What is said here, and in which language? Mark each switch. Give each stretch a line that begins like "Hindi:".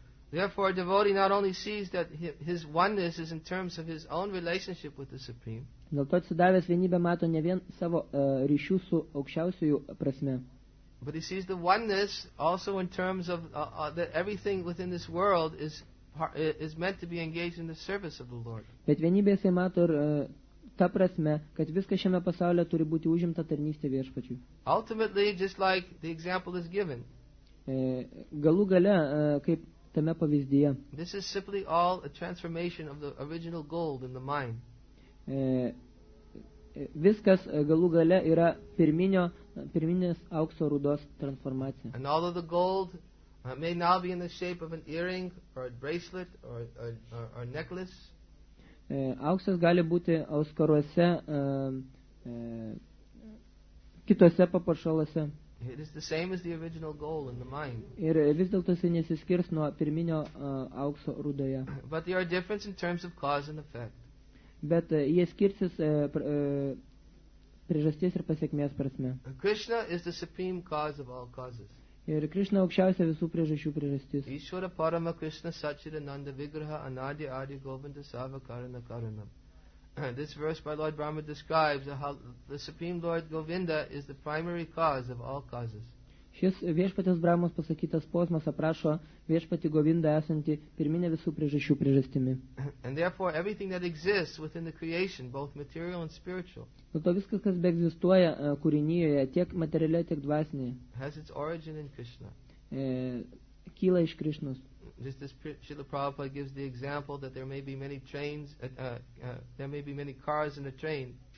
English: Therefore, a devotee not only sees that his oneness is in terms of his own relationship with the Supreme.
Lithuanian: Dėl to atsidavęs vienybę mato ne vien savo ryšių su aukščiausiųjų prasme.
English: But he sees the oneness also in terms of that everything within this world is meant to be engaged in the service of the Lord.
Lithuanian: Bet vienybės jis mato ir ta prasme, kad viskas šiame pasaulyje turi būti užimta tarnystė viešpačiui.
English: Ultimately, just like the example is given.
Lithuanian: Galų gale, kaip tame pavyzdyje.
English: This is simply all a transformation of the original goal in the mind.
Lithuanian: Viskas galų gale yra pirminio pirminės aukso rūdos transformacija.
English: And all of the gold may now be in the shape of an earring or a bracelet or a necklace.
Lithuanian: Auksas gali būti auskaruose, kitose papuošaluose.
English: It is the same as the original gold in the mine.
Lithuanian: Ir vis dėlto jis nesiskirs nuo pirminio aukso rūdoje.
English: But there are differences in terms of cause and effect.
Lithuanian: Bet jie skirsis priežasties ir pasekmės prasme.
English: Krishna is the supreme cause of all causes.
Lithuanian: Ir Krishna aukščiausia visų priežasčių priežastis.
Sanskrit: Ishvara Parama Krishna Sachidananda Vigraha Anadi Adi Govinda Sava Karana Karanam.
English: This verse by Lord Brahma describes how the Supreme Lord Govinda is the primary cause of all causes.
Lithuanian: Šis viešpatės Brahmos pasakytas posmas aprašo viešpatį Govindą esantį pirminę visų priežasčių priežastimi.
English: And therefore everything that exists within the creation, both material and spiritual,
Lithuanian: dėl to viskas, kas beegzistuoja kūrinijoje, tiek materialiai, tiek dvasinėje,
English: has its origin in Krishna.
Lithuanian: Kyla iš Krishnos.
English: Just as Srila Prabhupada gives the example that there may be many trains, there may be many cars in a train.